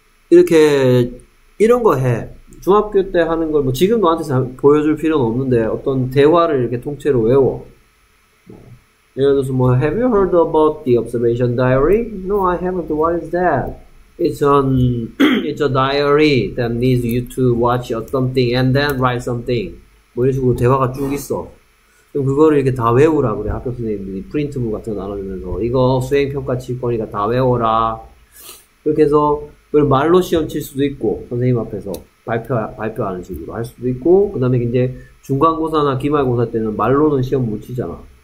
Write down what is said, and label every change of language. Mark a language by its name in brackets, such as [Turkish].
[Korean] 이렇게 이런 거 해. 중학교 때 하는 걸뭐 지금 너한테 보여줄 필요는 없는데 어떤 대화를 이렇게 통째로 외워. 예를 들어서 뭐 [English] Have you heard about the observation diary? No, I haven't. What is that? It's a diary that needs you to watch something and then write something. [Korean] 뭐 이런 식으로 대화가 쭉 있어. 그럼 그거를 이렇게 다 외우라 그래. 학교 선생님들이 프린트물 같은 거 나눠주면서 이거 수행평가 칠 거니까 다 외워라. 그렇게 해서 그걸 말로 시험 칠 수도 있고 선생님 앞에서 발표하는 식으로 할 수도 있고 그다음에 이제 중간고사나 기말고사 때는 말로는 시험 못 치잖아.